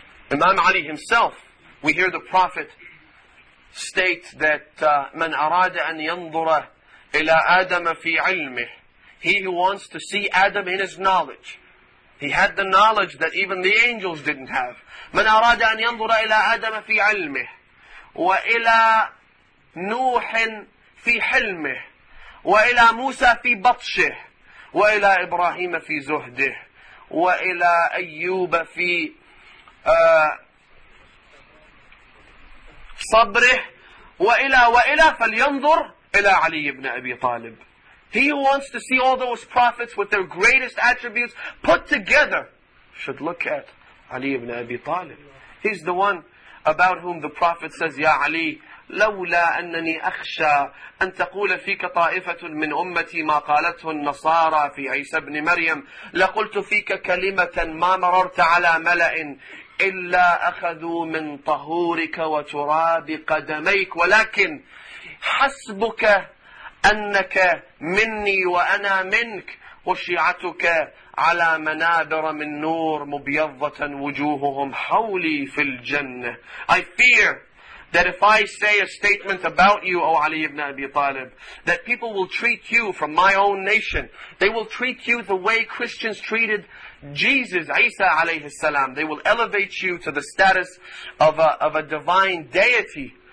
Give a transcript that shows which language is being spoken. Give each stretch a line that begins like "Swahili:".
English: Imam Ali himself, we hear the Prophet state that
Arabic: من أراد أن ينظر إلى آدم في علمه,
English: he who wants to see Adam in his knowledge, he had the knowledge that even the angels didn't have.
Arabic: من أراد أن ينظر إلى آدم في علمه وإلى نوح في حلمه وإلى موسى في بطشه وإلى إبراهيم في زهده وإلى أيوب في صبره وإلى فلينظر إلى علي بن أبي طالب.
English: He who wants to see all those prophets with their greatest attributes put together should look at علي بن أبي طالب. He's the one about whom the Prophet says,
Arabic: يا علي لولا أنني أخشى أن تقول فيك طائفة من أمتي ما قالته النصارى في عيسى بن مريم لقلت فيك كلمة ما مررت على ملأ إلا أخذوا من طهورك وتراب قدميك ولكن حسبك أنك مني وأنا منك وشيعتك على منابر من نور مبيضة وجوههم حولي في الجنة.
English: I fear that if I say a statement about you, O Ali ibn Abi Talib, that people will treat you from my own nation. They will treat you the way Christians treated Jesus, Isa alayhi salam. They will elevate you to the status of a divine deity.